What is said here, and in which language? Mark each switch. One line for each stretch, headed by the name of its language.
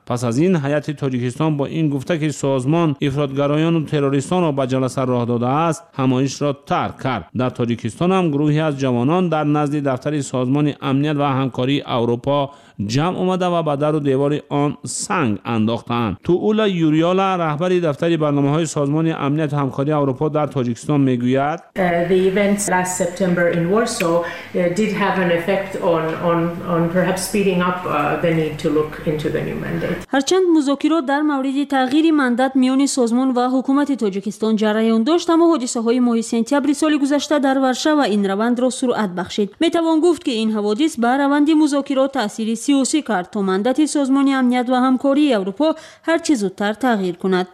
Persian: پس از این هیئت تاجیکستان با این گفته که سازمان افراطگرایان و تروریستان را به جلسه راه داده است، همایش را ترک کرد. در تاجیکستان هم گروهی از جوانان در نزد دفتر سازمان امنیت و همکاری اروپا جمع آمده و به در و دیوار آن سنگ انداختند. تو اولا یوریالا رهبر دفتر برنامه‌های سازمان امنیت و همکاری اروپا در تاجیکستان میگوید
English: The events last September in Warsaw did have an effect on perhaps speeding up the need to look into the new mandate.
Persian: هرچند مذاکرات در مورد تغییر مندات میان سازمان و حکومت تاجیکستان جریان داشت، اما حادثه‌های ماه سپتامبر سال گذشته در ورشو این روند را سرعت بخشید. میتوان گفت که این حوادث بر روند مذاکرات تاثیر سیاسی کرد تا مندت سازمان امنیت و همکاری اروپا هر چه زودتر تغییر کند.